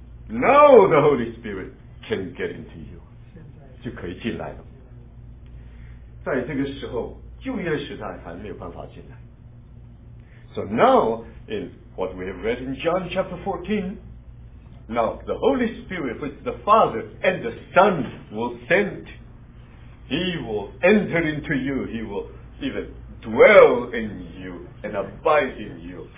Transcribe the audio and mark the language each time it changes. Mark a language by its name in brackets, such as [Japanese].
[English] Now the Holy Spirit can get into you. [Chinese] 就可以进来了。在这个时候，旧约时代还没有办法进来。 [English] So now, in what we have read in John chapter 14, now the Holy Spirit, which the Father and the Son will send, he will enter into you, he will even dwell in you and abide in you.